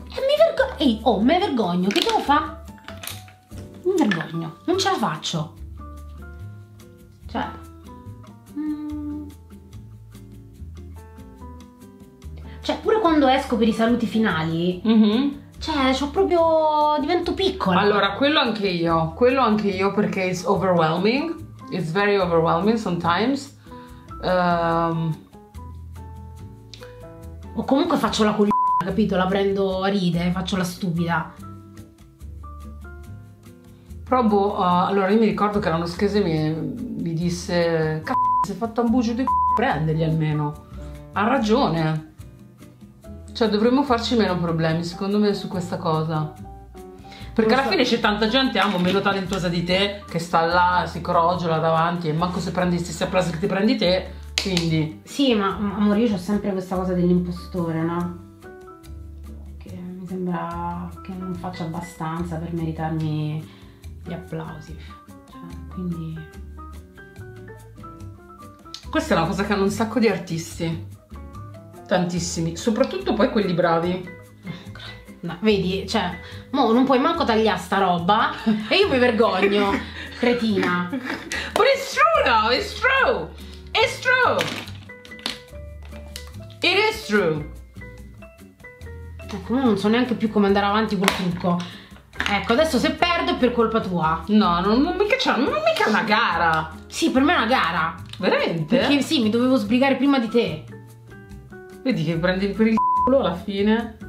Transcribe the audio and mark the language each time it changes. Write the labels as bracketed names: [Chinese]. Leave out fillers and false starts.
[Italian] E mi vergogno, ehi, oh mi vergogno, che devo fare? Mi vergogno, non ce la faccio. Cioè... cioè pure quando esco per i saluti finali, mm-hmm, cioè c'ho proprio, divento piccola. Allora quello anche io perché [English] it's overwhelming, it's very overwhelming sometimes. [Italian] O comunque faccio la coglione, capito, la prendo a ride, faccio la stupida. Però boh, allora io mi ricordo che l'anno scorso mi disse, cazzo si è fatto un bucio di prenderli almeno, ha ragione. Cioè dovremmo farci meno problemi secondo me su questa cosa. Perché non alla fine c'è tanta gente meno talentuosa di te che sta là, si crogiola davanti e manco se prendi gli stessi applausi che ti prendi te, quindi. Sì, ma amore, io c'ho sempre questa cosa dell'impostore, no? Che mi sembra che non faccia abbastanza per meritarmi gli applausi. Cioè, quindi. Questa è una cosa che hanno un sacco di artisti. Tantissimi, soprattutto poi quelli bravi. No, vedi, cioè, mo non puoi manco tagliare sta roba e io mi vergogno, cretina. [English] But it's true though, it's true, it's true. It is true. [Italian] Ecco, non so neanche più come andare avanti col trucco. Ecco, adesso se perdo è per colpa tua. No, non mica una gara. Sì, per me è una gara. Veramente? Perché sì, mi dovevo sbrigare prima di te. Vedi che prendi per il culo alla fine?